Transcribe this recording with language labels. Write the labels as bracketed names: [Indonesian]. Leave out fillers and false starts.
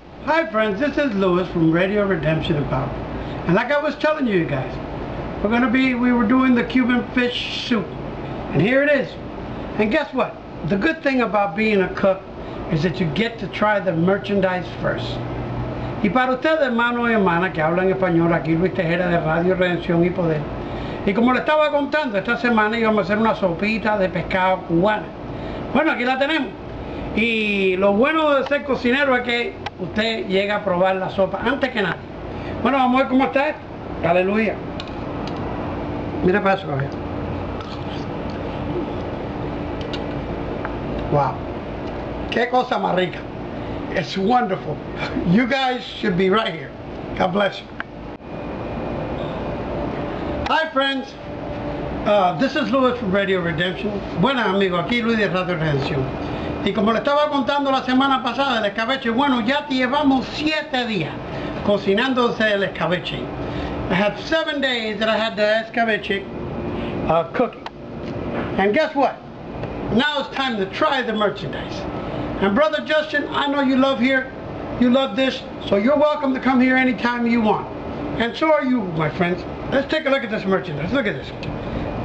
[English] Hi friends, this is Lewis from Radio Redemption and Power. And like I was telling you guys, we were doing the Cuban fish soup. And here it is. And guess what? The good thing about being a cook is that you get to try the merchandise first. [Spanish] Y para ustedes, hermanos y hermanas que hablan español, aquí Luis Tejera de Radio Redención y Poder. Y como le estaba contando, esta semana íbamos a hacer una sopita de pescado cubana. Bueno, aquí la tenemos. Y lo bueno de ser cocinero es que usted llega a probar la sopa antes que nada. Bueno, vamos a ver cómo está esto. Aleluya. Mira para eso, caballero. Wow. Qué cosa más rica. [English] It's wonderful. You guys should be right here. God bless you. Hi, friends. This is Lewis from Radio Redemption. [Spanish] Buenas, amigo. Aquí Luis de Radio Redemption. Y como le estaba contando la semana pasada del escabeche, bueno, ya llevamos 7 días cocinándose el escabeche. [English] I have 7 days that I had the escabeche cooking. And guess what? Now it's time to try the merchandise. And brother Justin, I know you love here, you love this, so you're welcome to come here anytime you want. And so are you, my friends. Let's take a look at this merchandise. Look at this.